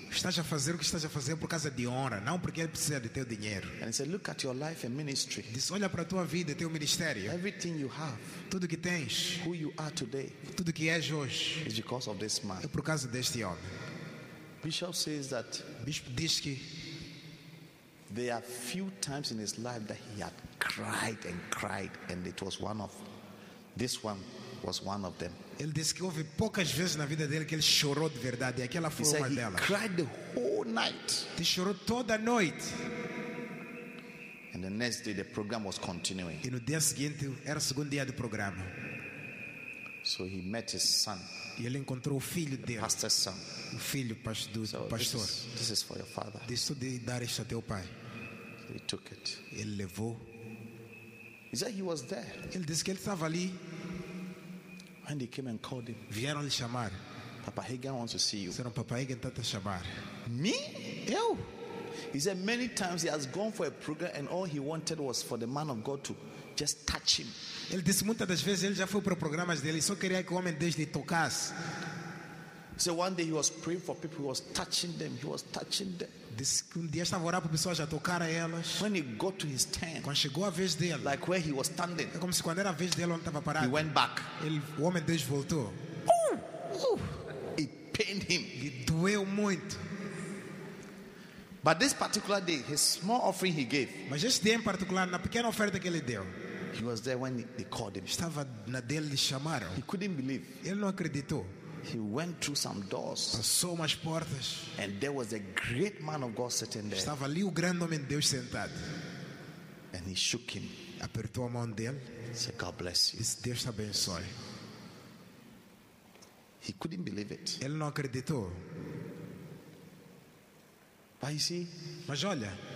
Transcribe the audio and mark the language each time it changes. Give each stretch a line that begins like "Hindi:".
Portuguese: Estás a fazer o que estás a fazer por causa de honra, não porque ele precisa de teu dinheiro.
English: And he said, look at your life and ministry.
Portuguese: Disse, olha para a tua vida e teu ministério.
English: Everything you have.
Portuguese: Tudo que tens.
English: Who you are today.
Portuguese: Tudo que és hoje.
English: Is because of this man.
Portuguese: É por causa deste homem.
English: Bishop says that.
Portuguese: Bispo diz que
English: there are few times in his life that he had cried and cried, and it was one of this one was one of them.
Portuguese: Ele disse que houve poucas vezes na vida dele que ele chorou de verdade, e aquela foi uma delas.
English: He cried the whole night.
Portuguese: Ele chorou toda a noite.
English: And the next day the program was continuing.
Portuguese: E no dia seguinte era o segundo dia do programa.
English: So he met his son.
Portuguese: E ele encontrou o filho dele.
English: Pastor's son.
Portuguese: O filho do pastor.
English: This is for your father.
Portuguese: Disse de dar isso a teu pai.
English: So he took it.
Portuguese: Ele levou.
English: He said he was there.
Portuguese: Ele disse que ele estava ali.
English: And they came and called him.
Portuguese: Vieram lhe chamar.
English: Papa Hagen wants to see you.
Portuguese: Disseram, Papa Hagen está a chamar.
English: Me? Eu? He said many times he has gone for a program and all he wanted was for the man of God to just touch him.
Portuguese: Ele disse muitas das vezes ele já foi para programas dele e só queria que o homem desde tocasse.
English: So one day he was praying for people, he was touching them.
Portuguese: Disse que um dia estava orando para pessoas a tocar a elas.
English: When he got to his tent,
Portuguese: quando chegou a vez dele,
English: like where he was standing,
Portuguese: é como se quando era a vez dele onde estava parado.
English: He went back.
Portuguese: Ele, o homem desde voltou.
English: It pained him.
Portuguese: Lhe doeu muito.
English: But this particular day, his small offering he gave.
Portuguese: Mas este dia em particular, na pequena oferta que ele deu.
English: He was there when they called him.
Portuguese: Estava na dele, lhe chamaram.
English: He couldn't believe.
Portuguese: Ele não acreditou.
English: He went through some doors.
Portuguese: Passou umas portas.
English: And there was a great man of God sitting there.
Portuguese: Estava ali o grande homem de Deus sentado.
English: And he shook him.
Portuguese: Apertou a mão dele.
English: Said, God bless you.
Portuguese: Disse, Deus te abençoe.
English: He couldn't believe it.
Portuguese: Ele não acreditou.
English: But you see,
Portuguese: mas olha,